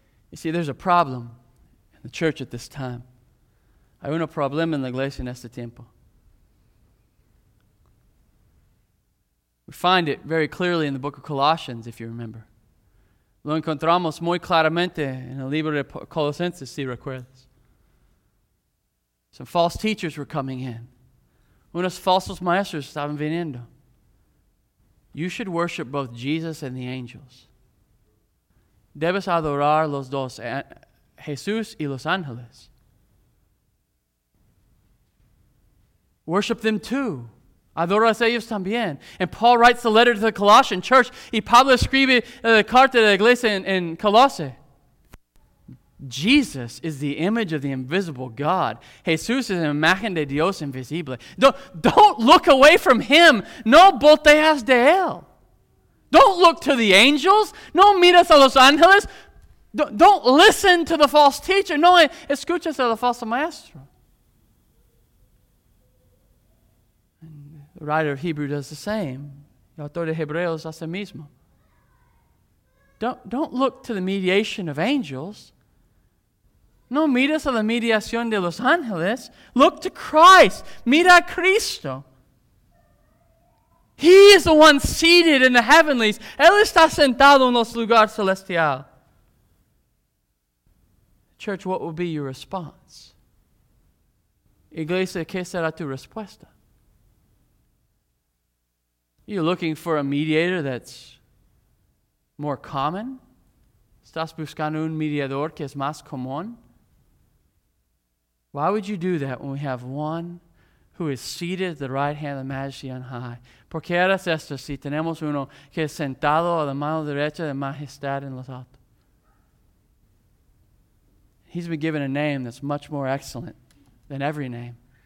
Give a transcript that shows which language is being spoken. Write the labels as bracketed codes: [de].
[en] You see, there's a problem in the church at this time. [es] Hay un problema en la iglesia en este tiempo. [en] We find it very clearly in the book of Colossians, if you remember. [es] Lo encontramos muy claramente en el libro de Colosenses, si recuerdas. [en] Some false teachers were coming in. [es] Unos falsos maestros estaban viniendo. [en] You should worship both Jesus and the angels. [es] Debes adorar los dos, Jesús y los ángeles. [en] Worship them too. [es] Adora a ellos también. [en] And Paul writes the letter to the Colossian church. [es] Y Pablo escribe la carta de la iglesia en Colosse. [en] Jesus is the image of the invisible God. [es] Jesús es la imagen de Dios invisible. [en] Don't look away from Him. [es] No volteas de Él. [en] Don't look to the angels. [es] No miras a los ángeles. [en] Don't listen to the false teacher. [es] No escuchas a la falsa maestra. [en] The writer of Hebrews does the same. [es] El autor de Hebreos hace mismo. [en] Don't look to the mediation of angels. [es] No miras a la mediación de los ángeles. [en] Look to Christ. [es] Mira a Cristo. [en] He is the one seated in the heavenlies. [es] Él está sentado en los lugares celestiales. [en] Church, what will be your response? [es] Iglesia, ¿qué será tu respuesta? [en] Are you looking for a mediator that's more common? [es] ¿Estás buscando un mediador que es más común? [en] Why would you do that when we have one who is seated at the right hand of the majesty on high? [es] ¿Por qué harás esto si tenemos uno que es sentado a la mano derecha de majestad en los altos? [en] He's been given a name that's much more excellent than every name.